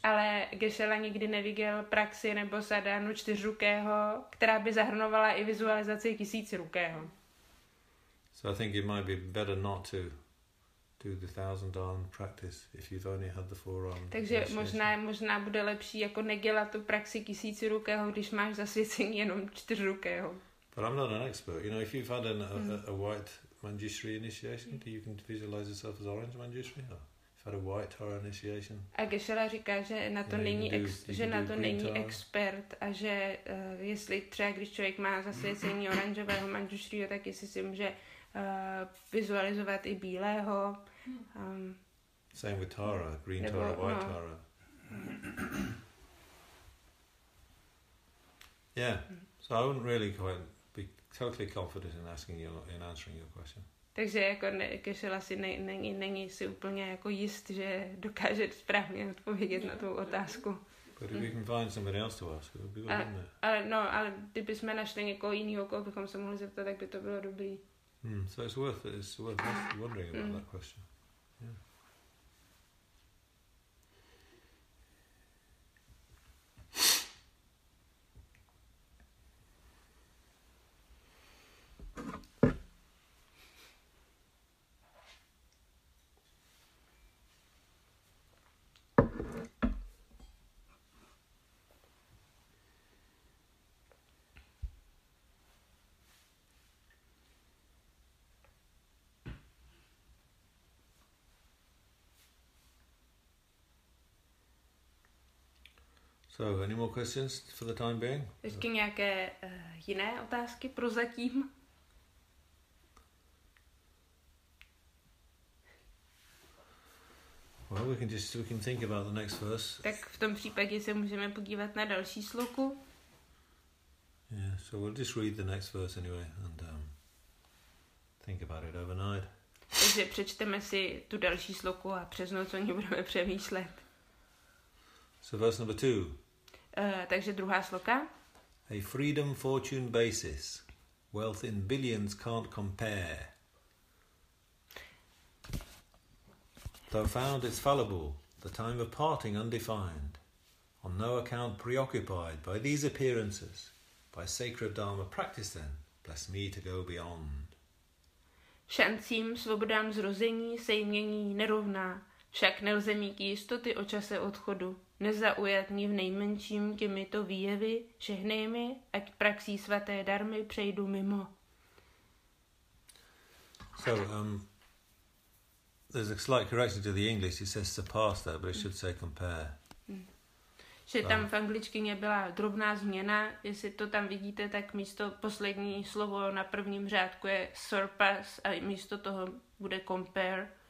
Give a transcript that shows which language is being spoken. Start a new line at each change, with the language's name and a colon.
Czech: Ale Geshe-la nikdy neviděl praxi nebo sadanu čtyřrukého, která by zahrnovala i vizualizaci tisícrukého.
English: So I think it might be better not to do the thousand-armed practice if you've only had the four-armed.
Czech: Takže možná bude lepší jako nedělat tu praxi tisícrukého, když máš zasvěcení jenom čtyřrukého.
English: But I'm not an expert. You know, if you've had a white Manjushri initiation, you can visualize yourself as orange Manjushri. Or if you've had a white Tara initiation.
Czech: A Geshe-la říká, že na to není expert a že jestli třeba když člověk má zasvěcení oranžového Manjushri, tak jestli si může vizualizovat i bílého.
English: Same with Tara, green Tara, white Tara. Yeah. So I wouldn't really quite totally confident in asking you in answering your question.
Czech: Takže jako Geshe-la si není si úplně jako jist, že dokáže správně odpovědět na tu otázku.
English: But if we can find somebody else to ask, it would be good, wouldn't it?
Czech: Ale kdybychom našli někoho jiného, koho bychom se mohli zeptat, tak by to bylo dobrý.
English: So it's worth wondering about that question. So, any more questions for the time being?
Czech: Ještě nějaké jiné otázky pro zatím?
English: Well, we can think about the next verse.
Czech: Tak v tom případě se můžeme podívat na další sloku.
English: Yeah, so we'll just read the next verse anyway and think about it overnight.
Czech: Takže přečteme si tu další sloku a přes noc o ní budeme přemýšlet.
English: So, verse number two.
Czech: Takže druhá sloka.
English: A freedom fortune basis. Wealth in billions can't compare. Though found it's fallible, the time of parting undefined. On no account preoccupied by these appearances. By sacred dharma practice then, bless me to go beyond.
Czech: Šancím, svobodám zrození, se jmění nerovná. Však nelze mít jistoty o čase odchodu. Nezaujat mě v nejmenším těmito výjevy, žehnej mi, ať praxí svaté darmy přejdu mimo.
English: So, there's a slight correction to the English. It says surpass that, but it should say compare.
Czech: Že tam v angličtině byla drobná změna. Jestli to tam vidíte, tak místo poslední slovo na prvním řádku je surpass a místo toho bude compare.